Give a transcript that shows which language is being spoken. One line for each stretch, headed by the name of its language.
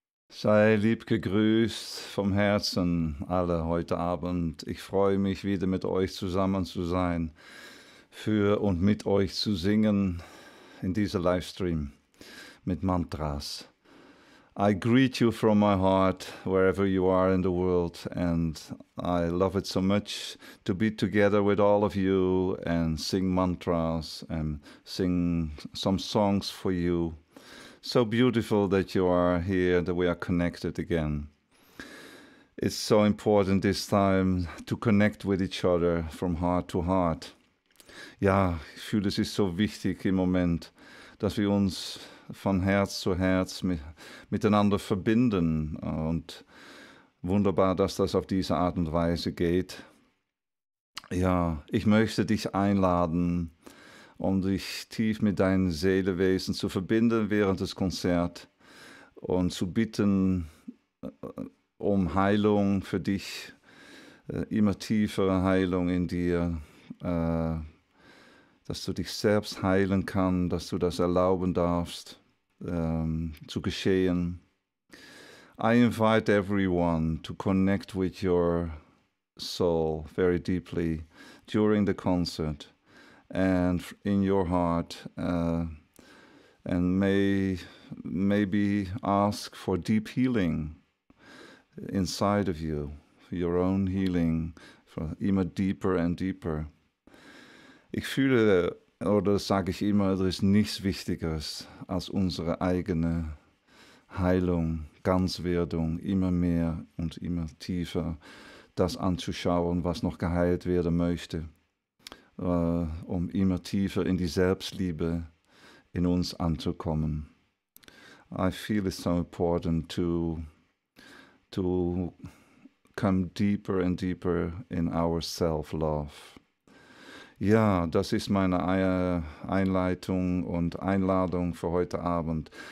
German: Sei lieb gegrüßt vom Herzen alle heute Abend. Ich freue mich wieder mit euch zusammen zu sein, für und mit euch zu singen in diesem Livestream mit Mantras.
English: I greet you from my heart, wherever you are in the world, and I love it so much to be together with all of you and sing mantras and sing some songs for you. So beautiful that you are here, that we are connected again. It's so important this time to connect with each other from heart to heart.
German: Ja, ich fühle, es ist so wichtig im Moment, dass wir uns von Herz zu Herz miteinander verbinden. Und wunderbar, dass das auf diese Art und Weise geht. Ja, ich möchte dich einladen, um dich tief mit deinem Seelewesen zu verbinden während des Konzerts und zu bitten um Heilung für dich, immer tiefere Heilung in dir, dass du dich selbst heilen kannst, dass du das erlauben darfst, zu geschehen.
English: I invite everyone to connect with your soul very deeply during the concert. And in your heart, and maybe ask for deep healing inside of you, your own healing, for immer deeper and deeper.
German: Ich fühle, oder sage ich immer, es ist nichts Wichtigeres als unsere eigene Heilung, Ganzwerdung, immer mehr und immer tiefer das anzuschauen, was noch geheilt werden möchte. Um immer tiefer in die Selbstliebe in uns anzukommen.
English: I feel it's so important to come deeper and deeper in our self-love.
German: Ja, das ist meine Einleitung und Einladung für heute Abend.